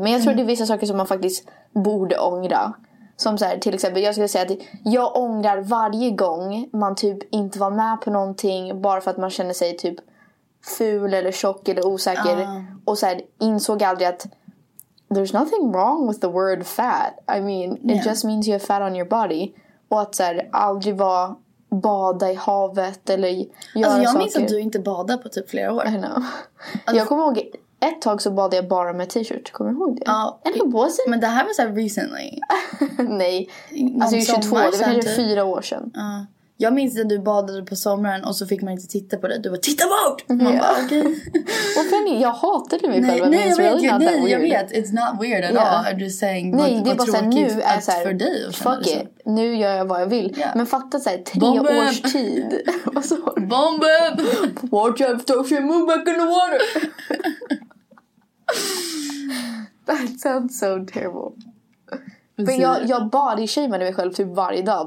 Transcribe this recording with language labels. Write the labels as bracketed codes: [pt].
[sv] Men jag tror det är vissa saker som man faktiskt borde ångra. Som så här, till exempel, jag skulle säga att jag ångrar varje gång man typ inte var med på någonting. Bara för att man känner sig typ ful eller tjock eller osäker. Och så här, insåg aldrig att [en] there's nothing wrong with the word fat. I mean, it just means you have fat on your body. [sv] Och att såhär, aldrig vara bada i havet eller göra saker. Alltså jag minns att du inte badade på typ flera år. [en] I know. [sv] Alltså, jag kommer ihåg, ett tag så badade jag bara med t-shirt. Kommer du ihåg det? Ja. Oh, men det här var så här recently. Nej. Alltså jag är 22, sommar, det var kanske 4 år sedan. Jag minns när du badade på sommaren och så fick man inte titta på det. Du bara, titta bort! Man bara, okej. Och Penny, jag hatade mig själv. Nej, jag vet, really nej, jag vet. [en] It's not weird at all. I'm just saying, [sv] nej, vad, det vad tråkigt nu är så här, för dig. [en] Fuck it, [sv] så. Nu gör jag vad jag vill. Yeah. Men fatta så här, 3 Bomben. Års tid. Bomben! [en] Watch out, don't you move back in the water! That sounds so terrible. [sv] Men jag body-shamade mig själv typ varje dag.